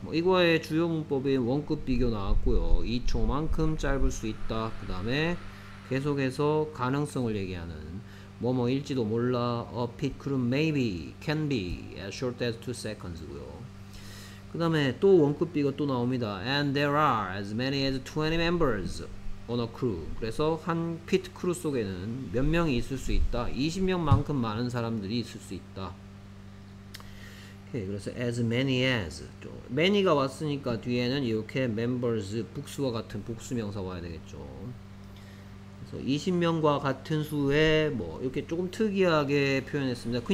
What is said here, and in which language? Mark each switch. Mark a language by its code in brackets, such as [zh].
[ko] 뭐 이거의 주요 문법인 원급 비교 나왔고요. 2초만큼 짧을 수 있다. 그 다음에 계속해서 가능성을 얘기하는 뭐뭐일지도 몰라. [en] A pit crew maybe can be as short as 2 seconds고요. [ko] 그 다음에 또 원급 비교 또 나옵니다. [en] And there are as many as 20 members on a crew. [ko] 그래서 한 pit crew 속에는 몇 명이 있을 수 있다. 20명만큼 많은 사람들이 있을 수 있다. 예, 그래서 [en] as many as many [ko] 가 왔으니까 뒤에는 이렇게 members 복수와 같은 복수명사 와야 되겠죠. 그래서 20명과 같은 수에 뭐 이렇게 조금 특이하게 표현했습니다.